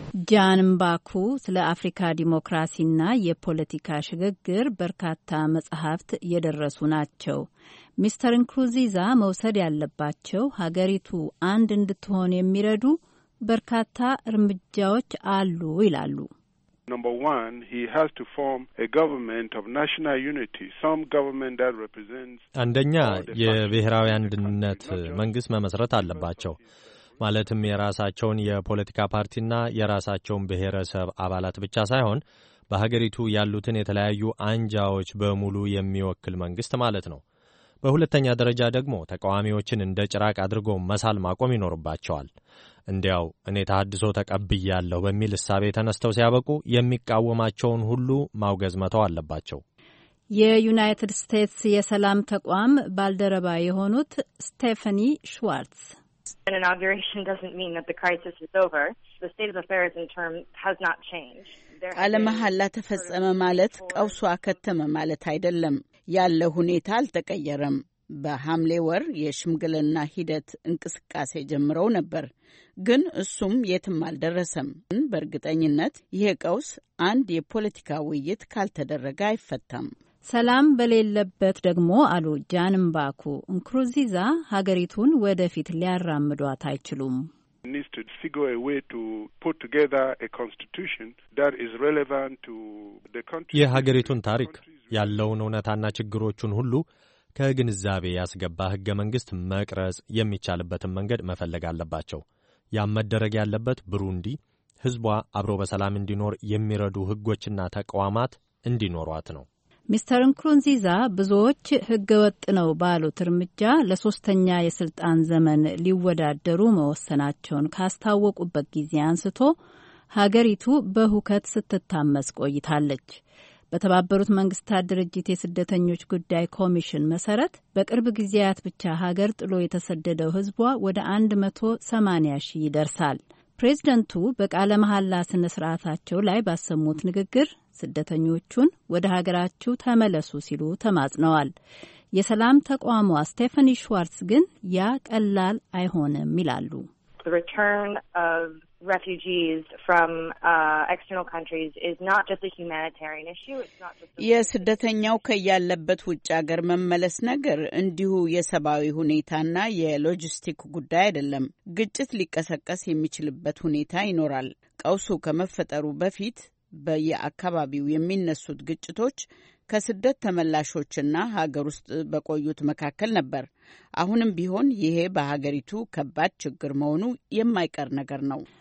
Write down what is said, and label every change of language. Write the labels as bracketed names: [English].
[Amharic] ጃን ምባኩ ስለ አፍሪካ ዲሞክራሲና የፖለቲካ ሽግግር በርካታ መጽሐፍት የደረሱ ናቸው። ሚስተር ንኩሩንዚዛ መውሰድ ያለባቸው ሀገሪቱ አንድ እንድትሆን የሚረዱ በርካታ እርምጃዎች አሉ ይላሉ። [English] Number one, he has to form a government of national unity, some government that represents [Amharic] አንደኛ የብሔራዊ አንድነት መንግስት መመስረት አለባቸው። ማለትም የራሳቸውን የፖለቲካ ፓርቲና የራሳቸውን ብሔረሰብ አባላት ብቻ ሳይሆን በሀገሪቱ ያሉትን የተለያዩ አንጃዎች በሙሉ የሚወክል መንግስት ማለት ነው። በሁለተኛ ደረጃ ደግሞ ተቃዋሚዎችን እንደ ጭራቅ አድርጎ መሳል ማቆም ይኖርባቸዋል። እንዲያው እኔ ተሐድሶ ተቀብያለሁ በሚል ሳቤ ተነስተው ሲያበቁ የሚቃወማቸውን ሁሉ ማውገዝ መተው አለባቸው። የዩናይትድ ስቴትስ የሰላም ተቋም ባልደረባ የሆኑት ስቴፈኒ ሽዋርትስ [English] An inauguration doesn't mean that the crisis is over. The state of affairs in term has not changed. [Amharic] ቃለ መሐላ ተፈጸመ ማለት ቀውሱ አከተመ ማለት አይደለም። ያለው ሁኔታ አልተቀየረም። በሐምሌ ወር የሽምግልና ሂደት እንቅስቃሴ ጀምረው ነበር፣ ግን እሱም የትም አልደረሰም። በእርግጠኝነት ይሄ ቀውስ አንድ የፖለቲካ ውይይት ካልተደረገ አይፈታም። ሰላም በሌለበት ደግሞ አሉ ጃንም ባኩ እንክሩዚዛ ሀገሪቱን ወደፊት ሊያራምዷት አይችሉም። [English] Needs to figure a way to put together a constitution that is relevant to the country. [Amharic] የሀገሪቱን ታሪክ ያለውን ወነታና ችግሮቹን ሁሉ ከግንዛቤ ያስገባ ህገ መንግስት መቅረጽ የሚቻልበትን መንገድ መፈለግ አለባቸው። ያመደረግ ያለበት ብሩንዲ ህዝቧ አብሮ በሰላም እንዲኖር የሚረዱ ህጎችና ተቋማት እንዲኖሯት ነው። ሚስተር ንክሩንዚዛ ብዙዎች ህገ ወጥ ነው ባሉት እርምጃ ለሶስተኛ የስልጣን ዘመን ሊወዳደሩ መወሰናቸውን ካስታወቁበት ጊዜ አንስቶ ሀገሪቱ በሁከት ስትታመስ ቆይታለች። በተባበሩት መንግስታት ድርጅት የስደተኞች ጉዳይ ኮሚሽን መሰረት በቅርብ ጊዜያት ብቻ ሀገር ጥሎ የተሰደደው ህዝቧ ወደ 180 ሺህ ይደርሳል። ፕሬዝደንቱ በቃለ መሐላ ስነ ስርዓታቸው ላይ ባሰሙት ንግግር ስደተኞቹን ወደ ሀገራቸው ተመለሱ ሲሉ ተማጽነዋል። የሰላም ተቋሟ ስቴፈኒ ሽዋርትስ ግን ያ ቀላል አይሆንም ይላሉ። [English] The return of refugees from external countries is not just a humanitarian issue, it's not just [Amharic] የስደተኛው ከያለበት ውጭ ሀገር መመለስ ነገር እንዲሁ የሰብአዊ ሁኔታና የሎጂስቲክ ጉዳይ አይደለም። ግጭት ሊቀሰቀስ የሚችልበት ሁኔታ ይኖራል። ቀውሱ ከመፈጠሩ በፊት በየአካባቢው የሚነሱት ግጭቶች ከስደት ተመላሾችና ሀገር ውስጥ በቆዩት መካከል ነበር። አሁንም ቢሆን ይሄ በሀገሪቱ ከባድ ችግር መሆኑ የማይቀር ነገር ነው።